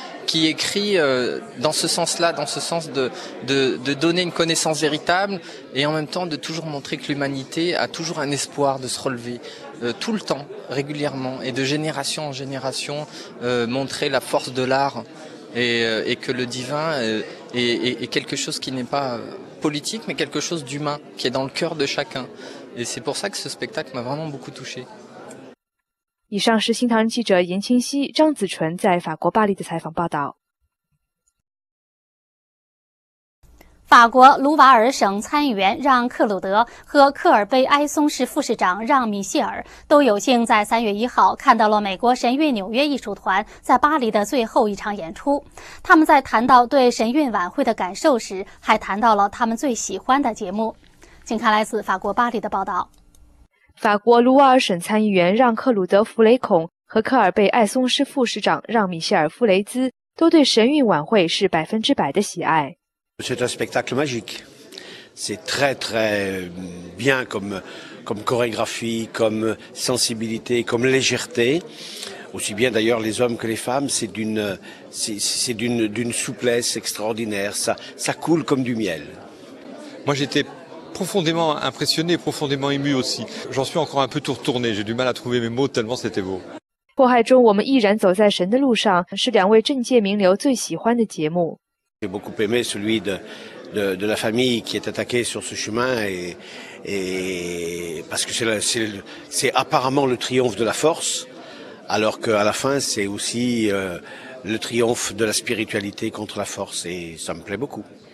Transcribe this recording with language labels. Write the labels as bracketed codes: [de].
[fr] qui écrit dans ce sens-là, dans ce sens de donner une connaissance véritable et en même temps de toujours montrer que l'humanité a toujours un espoir de se relever tout le temps, régulièrement et de génération en génération montrer la force de l'art et que le divin est quelque chose qui n'est pas politique mais quelque chose d'humain qui est dans le cœur de chacun. Et c'est pour ça que ce spectacle m'a vraiment beaucoup touché. [zh] 以上是新唐人记者严清溪、张子纯在法国巴黎的采访报道。法国卢瓦尔省参议员让·克鲁德和克尔贝埃松市副市长让·米歇尔都有幸在3月1号看到了美国神韵纽约艺术团在巴黎的最后一场演出。他们在谈到对神韵晚会的感受时，还谈到了他们最喜欢的节目。请看来自法国巴黎的报道。法国卢瓦尔省参议员让·克鲁德·弗雷孔和克尔贝埃松市副市长让·米歇尔·弗雷兹都对神韵晚会是100%的喜爱。 [fr] C'est un spectacle magique. C'est très très bien comme chorégraphie, comme sensibilité, comme légèreté. Aussi bien d'ailleurs les hommes que les femmes, c'est d'une souplesse extraordinaire. Ça coule comme du miel. Moi j'étais profondément impressionné, profondément ému aussi. J'en suis encore un peu tout retourné. J'ai du mal à trouver mes mots tellement c'était beau. [zh] 迫害中我们依然走在神的路上是两位政界名流最喜欢的节目。 [fr] J'ai beaucoup aimé celui de la famille qui est attaquée sur ce chemin et parce que c'est apparemment le triomphe de la force, alors qu'à la fin c'est aussi le triomphe de la spiritualité contre la force et ça me plaît beaucoup.